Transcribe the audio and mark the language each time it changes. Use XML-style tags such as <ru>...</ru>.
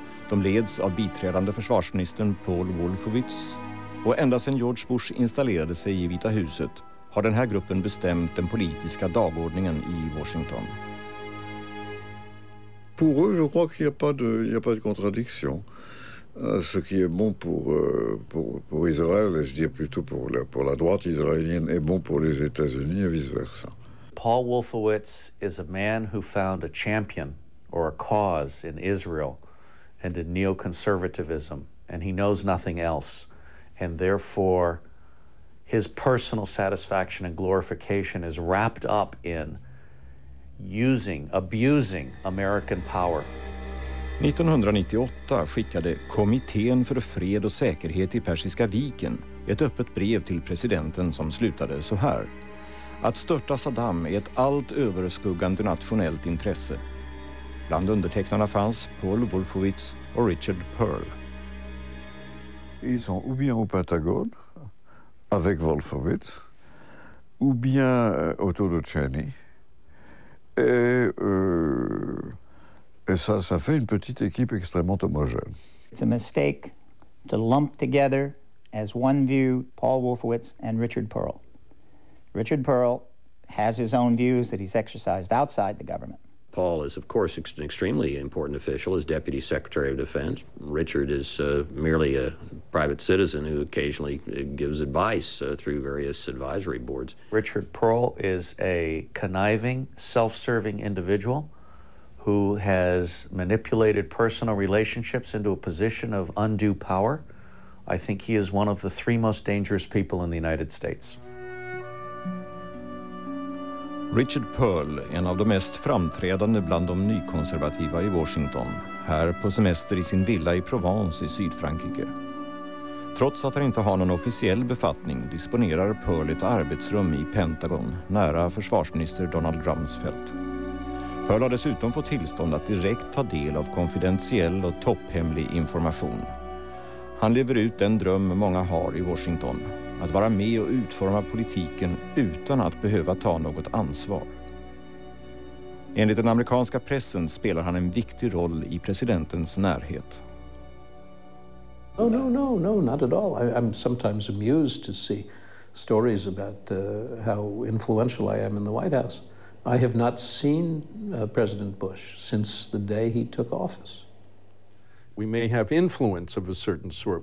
<sv>De leds av biträdande försvarsministern Paul Wolfowitz. Och ända sedan George Bush installerade sig i Vita huset har den här gruppen bestämt den politiska dagordningen i Washington.</sv> <fr>Pour eux, je crois qu'il y a pas de, il y a pas de contradiction. Ce qui est bon pour Israël, et je dis plutôt pour la droite israélienne, est bon pour les États-Unis et vice-versa.</fr> <en>Paul Wolfowitz is a man who found a champion or a cause in Israel and in neoconservatism, and he knows nothing else. And therefore, his personal satisfaction and glorification is wrapped up in using, abusing American power.</en> <sv>1998 skickade Kommittén för fred och säkerhet i Persiska viken ett öppet brev till presidenten som slutade så här. Att störta Saddam är ett allt överskuggande nationellt intresse. Bland undertecknarna fanns Paul Wolfowitz och Richard Pearl.</sv> <fr>Ils sont ou bien au Pentagone avec Wolfowitz ou bien autour de Cheney. Et ça, ça fait une petite équipe extrêmement homogène.</fr> <en>It's a mistake to lump together as one view Paul Wolfowitz and Richard Pearl. Richard Pearl has his own views that he's exercised outside the government. Paul is, of course, an extremely important official as Deputy Secretary of Defense. Richard is merely a private citizen who occasionally gives advice through various advisory boards. Richard Pearl is a conniving, self-serving individual who has manipulated personal relationships into a position of undue power. I think he is one of the three most dangerous people in the United States.</en> <sv>Richard Pearl, en av de mest framträdande bland de nykonservativa i Washington, här på semester i sin villa i Provence i Sydfrankrike. Trots att han inte har någon officiell befattning disponerar Pearl ett arbetsrum i Pentagon, nära försvarsminister Donald Rumsfeld. Pearl har dessutom fått tillstånd att direkt ta del av konfidentiell och topphemlig information. Han lever ut den dröm många har i Washington. Att vara med och utforma politiken utan att behöva ta något ansvar. Enligt den amerikanska pressen spelar han en viktig roll i presidentens närhet.</sv> <en>Oh no no no, not at all. I'm sometimes amused to see stories about how influential I am in the White House. I have not seen President Bush since the day he took office. We may have influence of a certain sort.</en>